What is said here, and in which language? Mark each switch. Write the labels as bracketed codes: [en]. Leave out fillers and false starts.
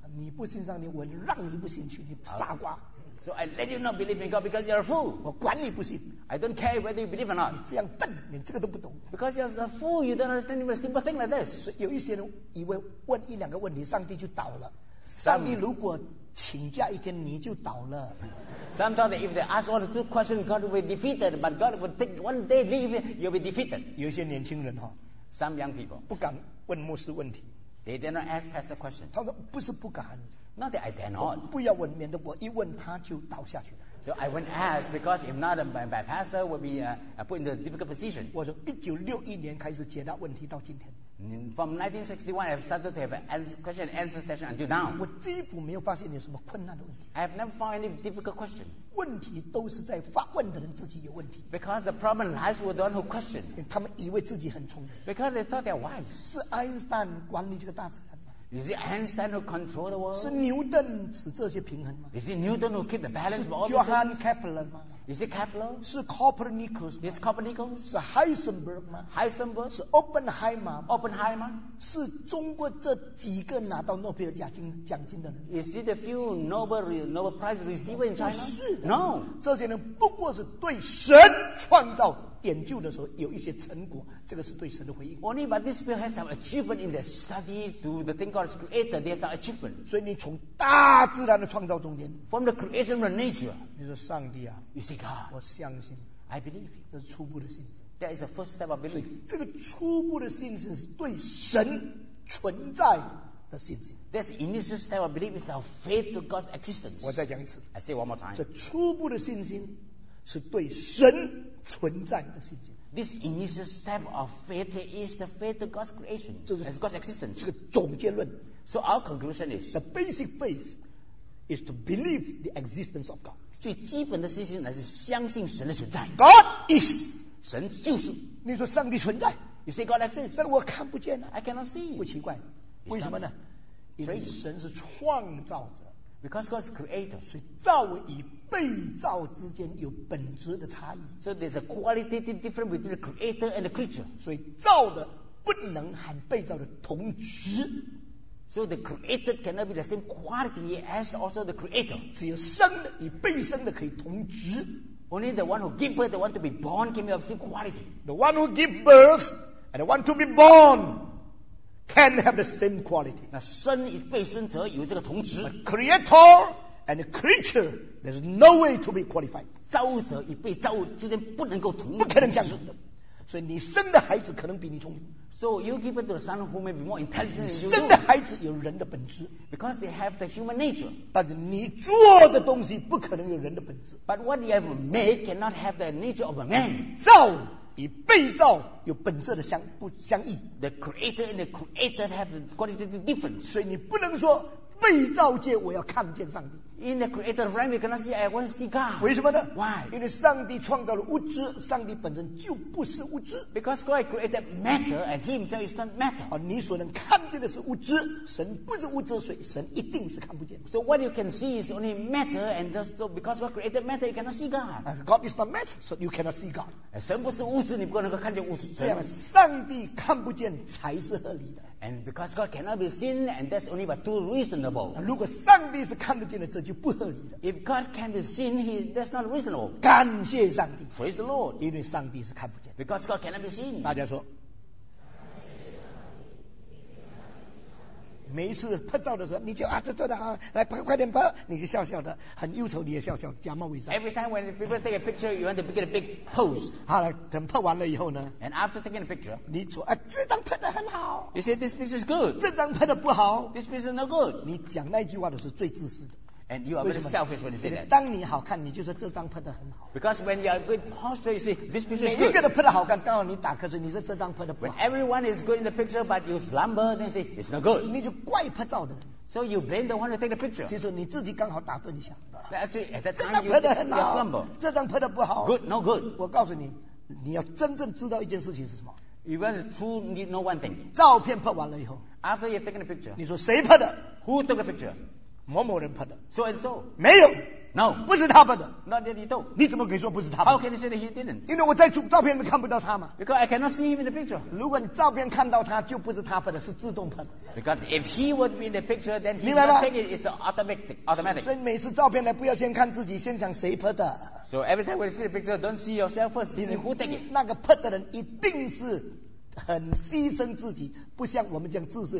[zh] 你不信上帝，我让你不信去，你傻瓜。 [en] Okay. So I let you not believe in God because you're a fool. [zh] 我管你不信。 [en] I don't care whether you believe or not. [zh] 你这样笨，你这个都不懂。 [en] Because you're a fool, you don't understand even a simple thing like this. [zh] 有一些人以为问一两个问题，上帝就倒了。上帝如果请假一天，你就倒了。 [en] Sometimes if they ask one or two questions, God will be defeated. But God will take one day leave, you'll be defeated. [zh] 有些年轻人哈 [en] ，some young people [zh] 不敢问牧师问题。 [en] They did not ask pastor questions. [zh] 他说不是不敢。 [en] Not that I dare not. [zh] 不要问，免得我一问他就倒下去。 [en] So I won't ask because if not, my pastor will be put in a difficult position. [zh] 我从1961年开始解答问题到今天。 [en] From 1961, I've started to have a question and answer session until now. [zh] 我几乎没有发现有什么困难的问题。 [en] I have never found any difficult question. [zh] 问题都是在发问的人自己有问题。 [en] Because the problem lies with the one who questioned. [zh] 他们以为自己很聪明。 [en] Because they thought they're wise. [zh] 是爱因斯坦管理这个大自然。 [en] Is it Einstein who control the world? [zh] 是牛顿使这些平衡吗 [en] ？Is it Newton who keep the balance of all things? [zh] 是 Johann Kepler 吗 [en] ？Is it Kepler? [zh] 是 Copernicus 吗 [en] ？Is Copernicus? [zh] 是 Heisenberg 吗 [en] ？Heisenberg [zh] 是 Oppenheimer 吗 [en] ？Oppenheimer [zh] 是中国这几个拿到诺贝尔奖金的人 [en] ？Is it a few Nobel Prize receiver in China? [zh] 是的 [en] ，No， [zh] 这些人不过是对神创造。研究的时候有一些成果，这个是对神的回应。 [en] Only but these people have some achievement in their study to the thing God has created. They have some achievement. [zh] 所以你从大自然的创造中间 [en] ，from the creation of nature， [zh] 你说上帝啊 [en] ，You see God， [zh] 我相信 [en] ，I believe， [zh] 这是初步的信心。 [en] That is the first step of belief。 [zh] 这个初步的信心是对神存在的信心。 [en] This initial step of belief is our faith to God's existence。 [zh] 我再讲一次 [en] ，I say one more time。 [zh] 这初步的信心。是对神存在的信心。 [en] This initial step of faith is the faith of God's creation, as God's existence. [zh] 是个总结论。 [en] So our conclusion is the basic faith is to believe the existence of God. [zh] 最基本的信心乃是相信神的存在。 [en] God is [zh] 神就是。你说上帝存在 [en] ？You say God exists. [zh] 但我看不见呢、 [en] 啊。I cannot see. [zh] 不奇怪，为什么呢？因为神是创造者。 [en] Because God's creator, [zh] 所以造与被造之间有本质的差异。 [en] So there's a qualitative difference between the creator and the creature. [zh] 所以造的不能和被造的同质。 [en] So the created cannot be the same quality as also the creator. [zh] 只有生的与被生的可以同质。 [en] Only the one who give birth, the one to be born, can be of the same quality. The one who give birth and the one to be born. Can have the same quality. [zh] 那生与被生者有这个同质。 [en] A creator and a creature, there's no way to be qualified. [zh] 造物者与被造物之间不能够同质。不可能这样子。所以你生的孩子可能比你聪明。 [en] So you give birth to a son who may be more intelligent than you. [zh] 生的孩子有人的本质。 [en] Because they have the human nature. [zh] 但是你做的东西不可能有人的本质。 [en] But what you have made cannot have the nature of a man. [zh] 造与被造有本质的相异 [en] The creator and the creator have a qualitative difference [zh] 所以你不能说被造界我要看见上帝 [en] In the creator realm you cannot see I want to see God [zh] 为什么呢 [en] Why? [zh] 因为上帝创造了物质上帝本身就不是物质 [en] Because God created matter and he himself is not matter [zh] 你所能看见的是物质神不是物质所以神一定是看不见 [en] So what you can see is only matter and thus because God created matter you cannot see God God is not matter so you cannot see God [zh] 神不是物质你不能够看见物质这样上帝看不见才是合理的 [en] And because God cannot be seen, and that's only but too reasonable. [zh] 如果上帝是看得见的，这就不合理的。 [en] If God can be seen, that's not reasonable. [zh] 感谢上帝。 [en] Praise the Lord. [zh] 因为上帝是看不见。 [en] Because God cannot be seen. [zh] 大家说。每一次拍照的时候，你就啊，这做的好，来拍，快点拍，你就笑笑的，很忧愁，你也笑笑，假冒伪善。 [en] Every time when people take a picture, you want to get a big pose. [zh] 好了，等拍完了以后呢 [en] ？And after taking a picture, [zh] 你说啊，这张拍的很好。 [en] You say this picture is good. [zh] 这张拍的不好。 [en] This picture is no good. [zh] 你讲那句话的是最自私的。 [en] And you are very selfish when you say that. [zh] 当你好看，你就说这张拍的很好。 [en] Because when you are good posture, you say this picture is good. [zh] 每一个人拍的好看，刚好你打瞌睡，你说这张拍的不好。 [en] When everyone is good in the picture, but you slumber, then you say it's not good. [zh] 你就怪拍照的人。 [en] So you blame the one who take the picture. [zh] 其实你自己刚好打盹一下。 [en] But actually, at that time, you slumber. [zh] 这张拍的不好。 [en] Good, no good. [zh] 我告诉你，你要真正知道一件事情是什么。 [en] You want to know one thing. [zh] 照片拍完了以后。 [en] After you've taken the picture. [zh] 你说谁拍的 [en] ？Who took the picture? [zh] 某某人拍的 [en] ，so and so， [zh] 没有 [en] ，no， [zh] 不是他拍的 [en] ，not that he do， [zh] 你怎么可以说不是他 [en] ？How can you say that he didn't？ [zh] 因为我在照片里看不到他嘛 [en] ，because I cannot see him in the picture。 [zh] 如果你照片看到他，就不是他拍的，是自动拍的。 [en] Because if he was in the picture, then he would take it. It's automatic. [zh] 所以每次照片来，不要先看自己，先想谁拍的。 [en] So every time when you see the picture, don't see yourself first. See who take it. [zh] 那个拍的人一定是。很牺牲自己，不像我们这样自私。